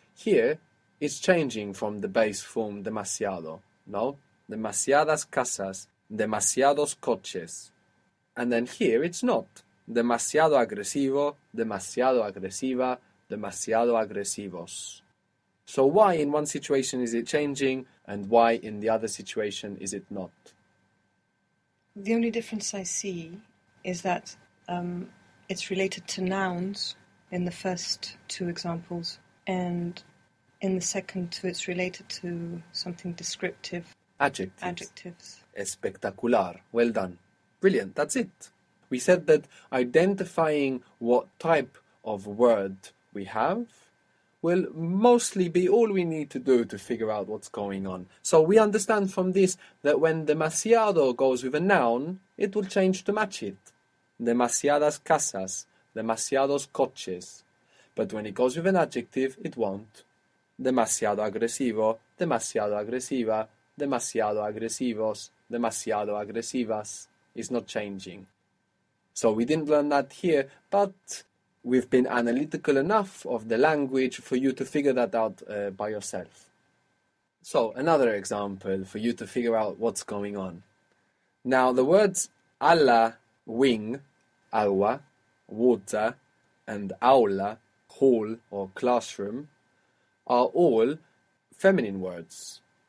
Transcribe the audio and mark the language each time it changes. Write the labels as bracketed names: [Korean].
[English] Here, it's changing from the base form demasiado, no? [Spanish] Demasiadas casas, demasiados coches. [English] And then here, it's not. [Spanish] Demasiado agresivo, demasiado agresiva, demasiado agresivos. [English] So, why in one situation is it changing and why in the other situation is it not? The only difference I see is that it's related to nouns in the first two examples, and in the second two, it's related to something descriptive, Adjectives. adjectives. Espectacular. Well done. Brilliant. That's it. We said that identifying what type of word we have will mostly be all we need to do to figure out what's going on. So we understand from this that when demasiado goes with a noun, it will change to match it. [Spanish] Demasiadas casas, demasiados coches. [English] But when it goes with an adjective, it won't. [Spanish] Demasiado agresivo, demasiado agresiva, demasiado agresivos, demasiado agresivas. [English] It's not changing. So we didn't learn that here, but we've been analytical enough of the language for you to figure that out by yourself. So another example for you to figure out what's going on. Now the words ala, wing, agua, water, and aula, hall or classroom, are all feminine words.